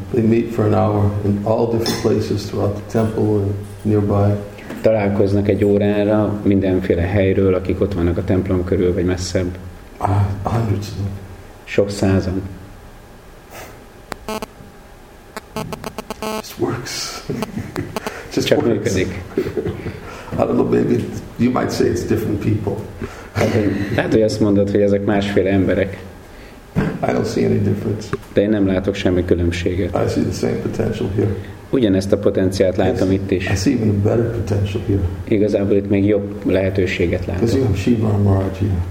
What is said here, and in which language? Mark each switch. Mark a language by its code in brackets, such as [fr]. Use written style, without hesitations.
[en] They meet for an hour in all different places throughout the temple and nearby. [hu] Találkoznak egy órára mindenféle helyről, akik ott vannak a templom körül vagy messzebb. [en] Hundreds of them. [hu] Sok százan. [en] This works. Just [hu] csak [en] works. [hu] Működik. [en] I don't know, maybe you might say it's different people. [hu] Hát, hogy azt mondod, hogy ezek másféle emberek. [en] I don't see any difference. [hu] De én nem látok semmi különbséget. [en] I see the same potential here. [hu] ugyanezt a potenciát látom itt is. [en] I see even a better potential here. [hu] Igazából itt még jobb lehetőséget látom. [en] Because you have Shiva Maharaj here.